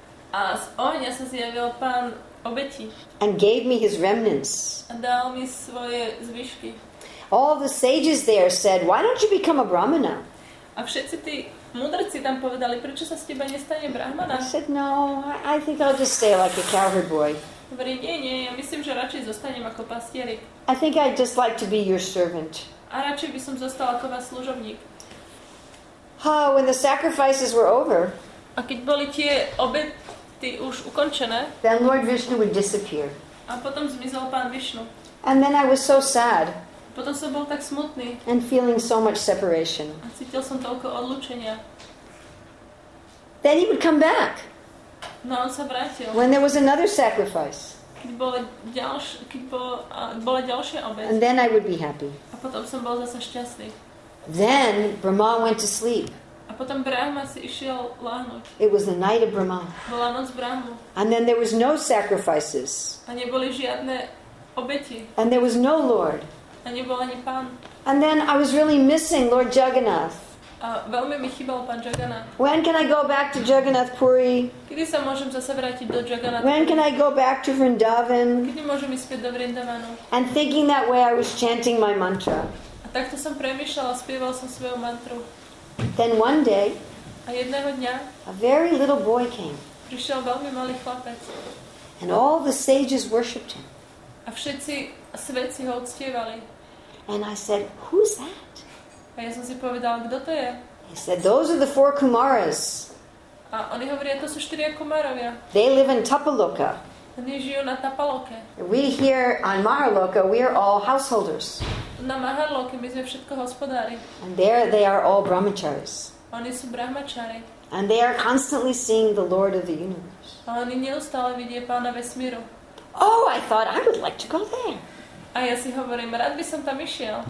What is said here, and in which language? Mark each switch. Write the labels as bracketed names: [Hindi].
[Slovak] A z ohňa sa zjavil pán obeti. [English] And gave me his remnants. [Slovak] A dal mi svoje zvyšky. [English] All the sages there said, why don't you become a brahmana? [Slovak] A všetci tí mudrci tam povedali, prečo sa z teba nestane brahmana? [English] I said, no, I think I'll just stay like a cowherd boy. [Slovak] Hovorí, nie, ja myslím, že radšej zostanem ako pastierik. [English] I think I'd just like to be your servant. [Slovak] A radšej by som zostal ako váš služobník. [English] Oh, when the sacrifices were over, [Slovak] a keď boli tie obety už ukončené, [English] then Lord Vishnu would disappear. [Slovak] A potom zmizol pán Vishnu. [English] And then I was so sad. [Slovak] Potom som bol tak smutný. [English] And feeling so much separation. [Slovak] A cítil som toľko odlučenia. [English] Then he would come back. [Slovak] No, on sa vrátil. [English] When there was another sacrifice. [Slovak] Keď bola ďalšia obeť. [English] And then I would be happy. [Slovak] A potom som bol zase šťastný. [English] Then Brahma went to sleep. [Slovak] A potom Brahma si išiel láhnuť. [English] It was the night of Brahma. [Slovak] Bola noc Brahmu. [English] And then there was no sacrifices. [Slovak] A neboli žiadne obeti. [English] And there was no Lord. [Slovak] A nebol ani pán. [English] And then I was really missing Lord Jagannath. [Slovak] A veľmi mi chýbal pán Jagannath. [English] When can I go back to Jagannath Puri? [Slovak] Kedy sa môžem zase vrátiť do Jagannath? [English] When can I go back to Vrindavan? [Slovak] Kedy môžem ísť späť do Vrindavanu? [English] And thinking that way I was chanting my mantra. [Slovak] A takto som premýšľal a spieval som svoju mantru. [English] Then one day, [Slovak] a jedného dňa, [English] a very little boy came. [Slovak] Prišiel veľmi malý chlapec. [English] And all the sages worshipped him. [Slovak] A všetci svätci ho uctievali. [English] And I said, "Who's that?" [Slovak] A ja som si povedal, kto to je? [English] He said, "Those are the four Kumaras." [Slovak] A oni hovoria, to sú štyria Kumarovia. [English] They live in Tapaloka. [Slovak] Oni žijú na Tapaloke. [English] We here on Maharloka, we are all householders. [Slovak] Na Maharloke my sme všetko hospodári. [English] And there they are all brahmacharis. [Slovak] Oni sú brahmačari. [English] And they are constantly seeing the Lord of the Universe. [Slovak] A oni neustále vidie pána vesmíru. [English] Oh, I thought I would like to go there. [Slovak] A ja si hovorím, rád by som tam išiel.